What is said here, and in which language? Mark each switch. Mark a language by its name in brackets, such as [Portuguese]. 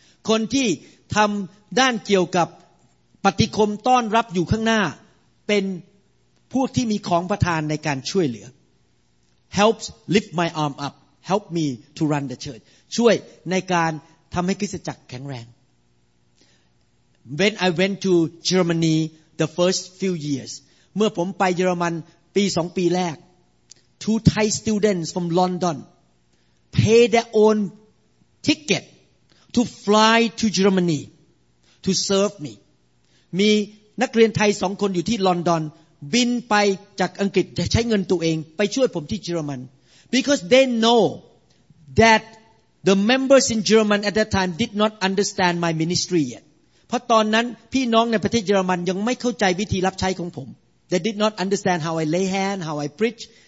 [Thai] คนที่ทำด้านเกี่ยวกับปฏิคมต้อนรับอยู่ข้างหน้าเป็นพวกที่มีของประธานในการช่วยเหลือ [English] helps lift my arm up help me to run the church [Thai] ช่วยในการทำให้คริสตจักรแข็งแรง [English] when I went to Germany the first few years [Thai] เมื่อผมไปเยอรมันปี2ปีแรก [English] two Thai students from London pay their own ticket to fly to Germany to serve me. [Thai] มีนักเรียนไทย2คนอยู่ที่ลอนดอนบินไปจากอังกฤษใช้เงินตัวเองไปช่วยผมที่เยอรมัน [English] because they know that the members in German at that time did not understand my ministry yet. [Thai] เพราะตอนนั้นพี่น้องในประเทศเยอรมันยังไม่เข้าใจวิธีรับใช้ของผม [English] they did not understand how I lay hand how I preach